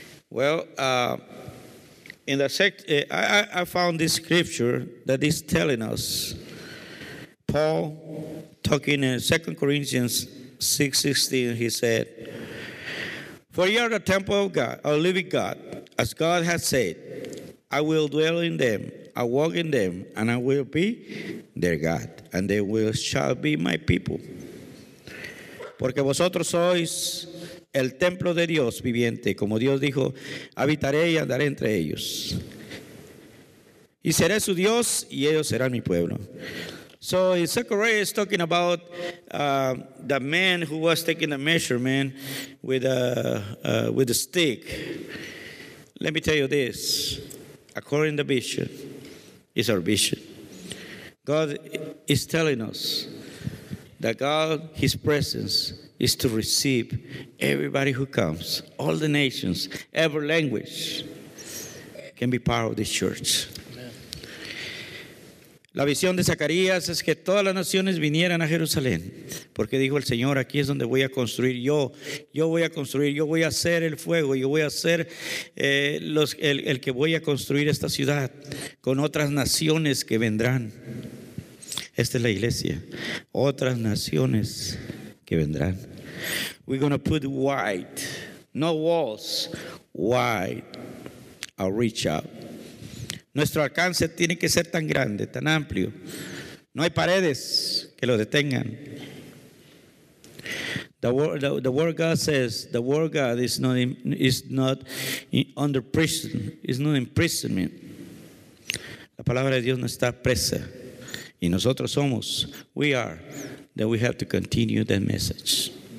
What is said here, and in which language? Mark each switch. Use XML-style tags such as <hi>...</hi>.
<en>Well, I found this scripture that is telling us, Paul talking in 2 Corinthians 6:16, he said, "For ye are the temple of God, a living God, as God has said, I will dwell in them, I walk in them, and I will be their God, and they will shall be my people.</en> <es>Porque vosotros sois el templo de Dios viviente, como Dios dijo, habitaré y andaré entre ellos. Y seré su Dios, y ellos serán mi pueblo."</es> <en>So Zechariah is talking about the man who was taking the measurement with a stick. Let me tell you this. According to the vision, is our vision. God is telling us that God, his presence, is to receive everybody who comes. All the nations, every language can be part of this church.</en> <es>La visión de Zacarías es que todas las naciones vinieran a Jerusalén, porque dijo el Señor, aquí es donde voy a construir yo voy a construir, yo voy a hacer el fuego, yo voy a ser el que voy a construir esta ciudad con otras naciones que vendrán. Esta es la iglesia, otras naciones que vendrán.</es> <en>We're going to put white, no walls, white, I'll reach out.</en> <es>Nuestro alcance tiene que ser tan grande, tan amplio. No hay paredes que lo detengan.</es> <en>The word God says, the word God is not under prison, is not imprisonment.</en> <es>La palabra de Dios no está presa. Y nosotros somos,</es> <en>we are, that we have to continue that message.</en>